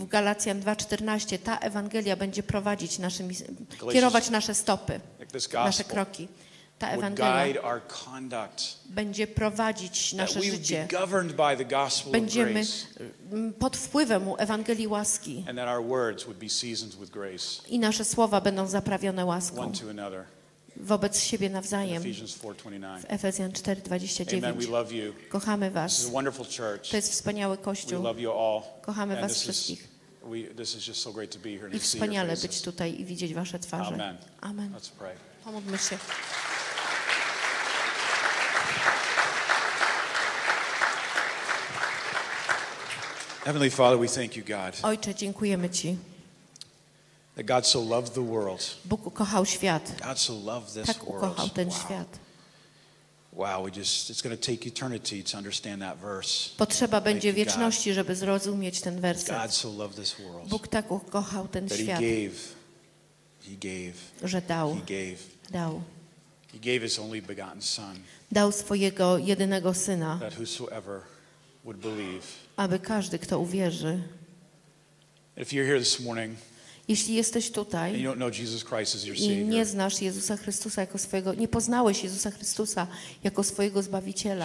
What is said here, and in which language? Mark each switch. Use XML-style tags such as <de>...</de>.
<pl>W Galacjan 2:14 ta Ewangelia będzie prowadzić naszymi kierować nasze stopy, nasze kroki. Ta Ewangelia będzie prowadzić nasze życie. Będziemy pod wpływem Ewangelii łaski.</pl> <en>And that our words would be seasoned with grace.</en> <pl>I nasze słowa będą zaprawione łaską.</pl> <en>One to another.</en> <pl>Wobec siebie nawzajem.</pl> <en>Ephesians 4:29.</en> <pl>W Efezjan 4:29.</pl> <en>Amen. We love you.</en> <pl>Kochamy was.</pl> <en>This is a wonderful church.</en> <pl>To jest wspaniały kościół.</pl> <en>We love you all.</en> <pl>Kochamy</pl> <en>and</en> <pl>was wszystkich.</pl> <en>This is just so great to be here and</en> <pl>i wspaniale być tutaj i widzieć wasze twarze.</pl> <en>Amen.</en> <pl>Amen.</pl> <en>Let's pray.</en> <pl>Pomódlmy się.</pl> <en>Heavenly Father, we thank you, God.</en> <pl>Ojcze, dziękujemy ci.</pl> <en>That God so loved the world.</en> <pl>Bóg ukochał świat.</pl> <en>God so loved this</en> <pl>tak ukochał</pl> <en>world.</en> <pl>Ten wow. świat.</pl> <en>Wow, we just it's going to take eternity to understand that verse.</en> <pl>Potrzeba będzie wieczności, żeby zrozumieć ten werset.</pl> <en>God so loved this world.</en> <pl>Bóg tak ukochał ten świat.</pl> <en>He gave. Że dał. He gave. He gave his only begotten son.</en> <pl>Dał swojego jedynego syna.</pl> <en>That whosoever would believe.</en> <pl>Aby każdy kto uwierzy.</pl> <en>If you're here this morning,</en> <pl>jeśli jesteś tutaj</pl> <en>and you don't know Jesus Christ as your</en> <pl>i nie znasz Jezusa Chrystusa jako swojego, nie poznałeś Jezusa Chrystusa jako swojego Zbawiciela,</pl>